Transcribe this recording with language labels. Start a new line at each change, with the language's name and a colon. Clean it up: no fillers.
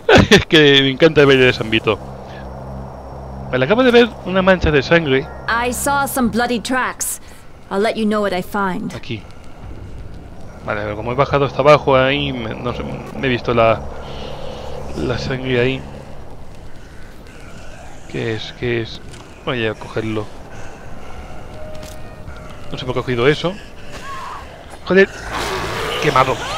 Spanish: Es que me encanta ver el Zambito. Vale, acabo de ver una mancha de sangre.
English: I saw some bloody tracks. I'll let you know what I find.
Spanish: Aquí. Vale, pero como he bajado hasta abajo ahí, no sé, me he visto la sangre ahí. ¿Qué es? Voy a cogerlo. No sé por qué he cogido eso. Joder. Quemado.